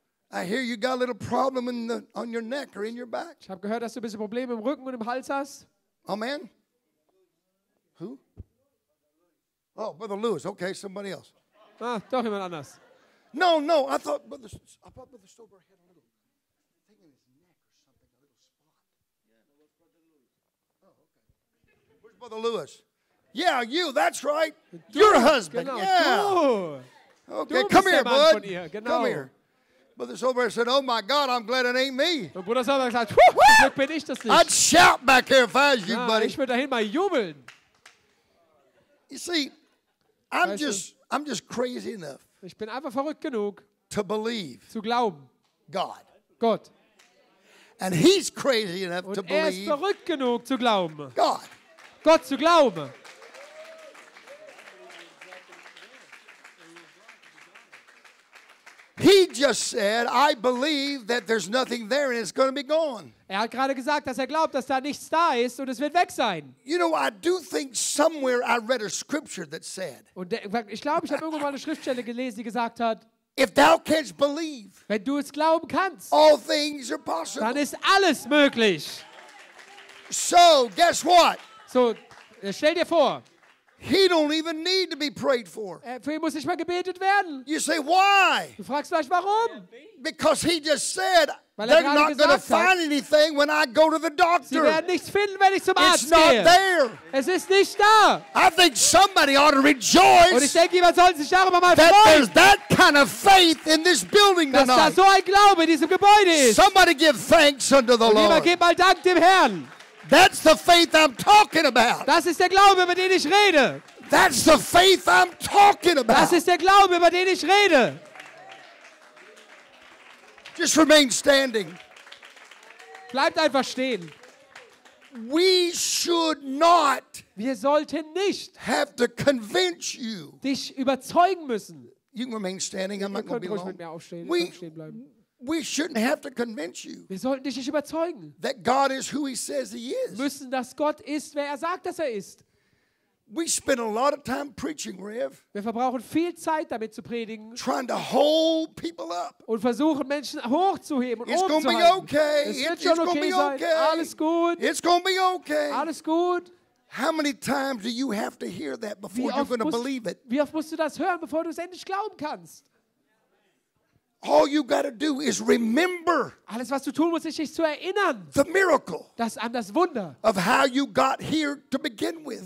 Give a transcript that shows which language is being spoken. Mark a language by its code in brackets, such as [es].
[en] I hear you got a little problem in the on your neck or in your back. [de] Ich habe gehört, dass du ein bisschen Probleme im Rücken und im Hals hast. [en] Oh, man. Who? Oh, Brother Lewis. Okay, somebody else. [de] Ah, doch jemand anders. [en] No, I thought Brother Stober had a little thing in his neck or something, a little spot. Yeah, that was Brother Lewis. Oh, okay. Where's Brother Lewis? Yeah, you, that's right. Your husband, [de] genau. [en] Yeah. Okay, come here, bud. Come here. Brother Stober said, oh my God, I'm glad it ain't me. Bruder Stober said, whoo, I'd shout back here if I was you, buddy. [de] Ich würde dahin mal jubeln. [en] You see, I'm just crazy enough. [de] Ich bin einfach verrückt genug. [en] To believe. [de] Zu glauben. [en] God. [de] Gott. [en] And he's crazy enough to believe. [de] Und er ist verrückt genug zu glauben. [en] God. [de] Gott zu glauben. [en] He just said, I believe that there's nothing there and it's going to be gone. [de] Er hat gerade gesagt, dass er glaubt, dass da nichts da ist und es wird weg sein. [en] You know, I do think somewhere I read a scripture that said, [de] ich glaube, ich habe irgendwo mal eine Schriftstelle gelesen, die gesagt hat, [en] if thou canst believe, [de] wenn du es glauben kannst, [en] all things are possible. [de] Dann ist alles möglich. [en] So, guess what? [de] So, stell dir vor, [en] he don't even need to be prayed for. [de] Für ihn muss nicht mal gebetet werden. [en] You say why? [de] Du fragst vielleicht warum? [en] Because he just said they're not going to find anything when I go to the doctor. [de] Sie werden nichts finden, wenn ich zum Arzt gehe. [en] It's not there. [de] Es ist nicht da. [en] I think somebody ought to rejoice. [de] Und ich denke, jemand sollte sich darüber mal freuen. [en] That there's that kind of faith in this building tonight. [de] Dass da so ein Glaube in diesem Gebäude ist. [en] Somebody give thanks unto the Lord. [de] Jemand gibt mal Dank dem Herrn. [en] That's the faith I'm talking about. [de] Das ist der Glaube, über den ich rede. [en] That's the faith I'm talking about. [de] Das ist der Glaube, über den ich rede. [en] Just remain standing. [de] Bleibt einfach stehen. [en] We should not. [de] Wir sollten nicht. [en] Have to convince you. [de] Dich überzeugen müssen. [en] You can remain standing. I'm not going to be long. [de] Mit mir aufstehen, aufstehen bleiben. [en] We shouldn't have to convince you. [de] Wir sollten dich nicht überzeugen. [en] That God is who he says he is. [de] Müssen, dass Gott ist, wer er sagt, dass er ist. [en] We spend a lot of time preaching, Rev. [de] Wir verbrauchen viel Zeit damit zu predigen. [en] Trying to hold people up. [de] Und versuchen Menschen hochzuheben und [en] it's [de] hochzuhalten. [en] Gonna be okay. It's gonna okay be okay. [de] Alles gut. [en] It's gonna be okay. [de] Alles gut. [en] How many times do you have to hear that before you're going to believe it? [de] Wie oft musst du das hören, bevor du es endlich glauben kannst? [en] All you got to do is remember. [de] Alles was du tun musst, ist dich zu erinnern. [en] The miracle. [de] Das an das Wunder. [en] Of how you got here to begin with.